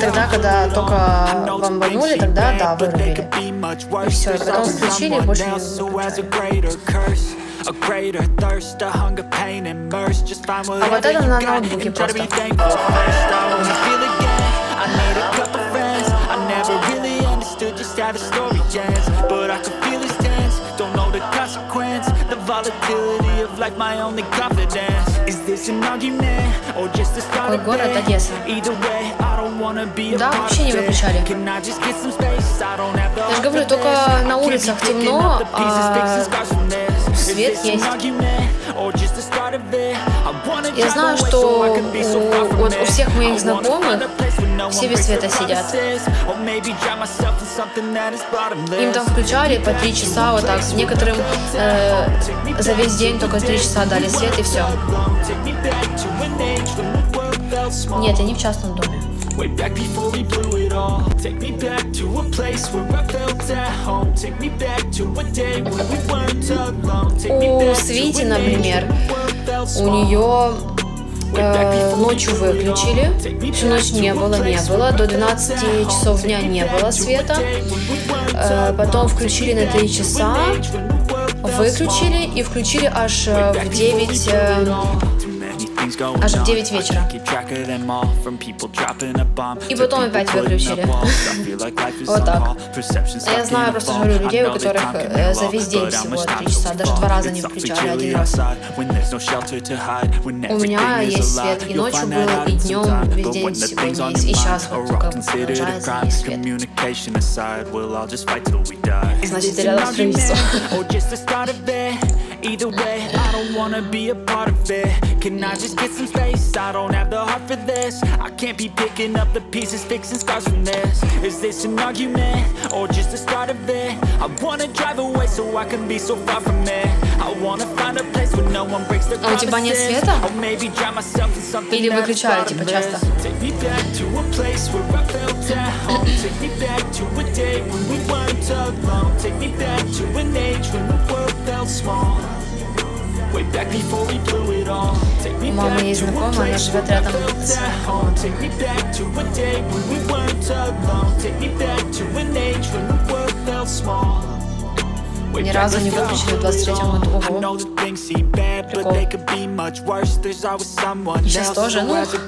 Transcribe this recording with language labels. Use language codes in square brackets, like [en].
[ru] Тогда, когда только вам вонюли, тогда, да, вырубили. И все, и потом включили, больше не выключали. [en] A greater thirst, a hunger, pain, and mercy. Just find whatever you got and try to be thankful first. I wanna feel again, I need a couple friends. I never really understood just how the story ends. But I could feel his tense, don't know the consequence. The volatility of life, my only confidence. Is this an argument, or just a start of it? Either way, I don't wanna be a part of it. Can I just get some space? I don't have the heart for this. I can't be picking up the pieces, fixing scars from this. [ru] Свет есть. Я знаю, что вот у всех моих знакомых все без света сидят. Им там включали по 3 часа, вот так. Некоторым за весь день только 3 часа дали свет и все. Нет, они в частном доме. [en] Way back before we blew it all. Take me back to a place where I felt at home. Take me back to a day when we weren't alone. Take me back to an age when the world felt small. [ru] Ночью выключили, всю ночь не было, до 12 часов дня не было света, потом включили на 3 часа, выключили и включили аж в 9 вечера. И потом опять выключили. Вот так. Я знаю, просто говорю, людей, у которых за весь день всего 3 часа, даже 2 раза не включали один раз. У меня есть свет и ночью был, и днем, весь день сегодня есть, и сейчас вот только включается, есть свет. Значит, я рядом с принесу. [en] Either way, I don't wanna be a part of it. Can I just get some space? I don't have the heart for this. I can't be picking up the pieces, fixing scars from this. Is this an argument or just the start of it? I wanna drive away so I can be so far from it. I wanna find a place where no one breaks the promises. Or maybe drive myself in something that's bottomless. Take me back to a place where I felt at home. Take me back to a day when we weren't alone. Take me back to an age when the world felt small. Way back before we blew it all. Take me back to a place where I felt at home. Take me back to a day when we weren't alone. Take me back to an age when the world felt small. [ru] Ни разу не выключили в 23-м году. Ого. Такого. Сейчас тоже, ну,